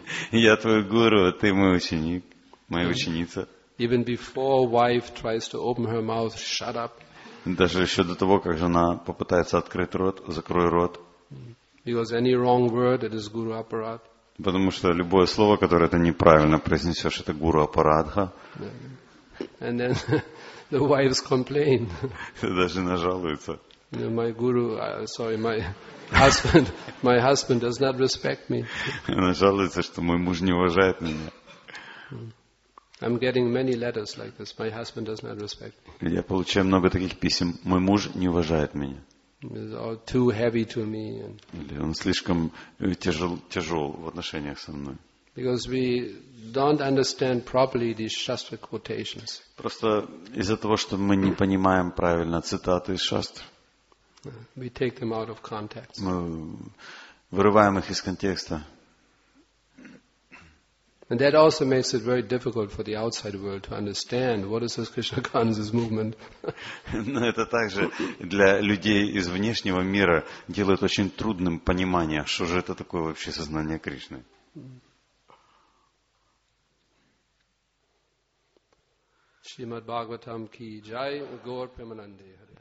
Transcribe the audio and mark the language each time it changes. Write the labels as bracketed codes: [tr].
[ru] Я твой гуру, ты мой ученик, моя ученица. [en] Even before wife tries to open her mouth, shut up. [ru] Даже еще до того, как жена попытается открыть рот, закрой рот. [en] Because any wrong word, it is guru aparad. [ru] Потому что любое слово, которое ты неправильно произнесешь, это гуру апарадха. [en] And then the wives complain. [ru] Даже она жалуется. [en] My guru, sorry, my husband does not respect me. [ru] Она жалуется, что мой муж не уважает меня. [en] I'm getting many letters like this. My husband does not respect me. [ru] Я получаю много таких писем. Мой муж не уважает меня. [en] He's all too heavy to me. [ru] Или он слишком тяжел в отношениях со мной. [en] Because we don't understand properly these shastra quotations. [ru] Просто из-за того, что мы не понимаем правильно цитаты из шастр. [en] We take them out of context. [ru] Мы вырываем их из контекста. [en] And that also makes it very difficult for the outside world to understand what is this Krishna consciousness movement. [ru] Но это также для людей из внешнего мира делает очень трудным понимание, что же это такое вообще сознание Кришны. Шримад Бхагаватам ки джай, Гаур Премананде.